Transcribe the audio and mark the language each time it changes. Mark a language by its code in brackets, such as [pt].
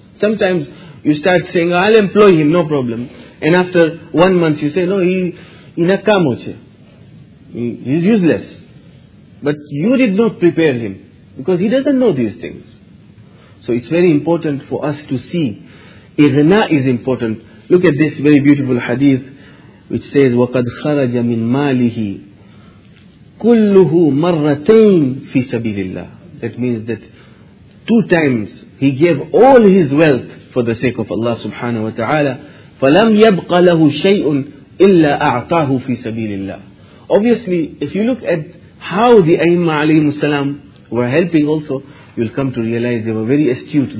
[en] Sometimes you start saying, I'll employ him, no problem. And after 1 month you say, no, he is nakamoche, he is useless. But you did not prepare him, because he doesn't know these things. So it's very important for us to see, ighna is important. Look at this very beautiful hadith, which says, وَقَدْ خَرَجَ مِنْ مَالِهِ كُلُّهُ مَرَّتَيْن فِي سَبِيلِ اللَّهِ. That means that 2 times he gave all his wealth for the sake of Allah subhanahu wa ta'ala. [ar] فَلَمْ يَبْقَ لَهُ شَيْءٌ إِلَّا أَعْطَاهُ فِي سَبِيلِ اللَّهِ. [en] Obviously, if you look at how the A'imma alayhimu salam were helping also, you'll come to realize they were very astute.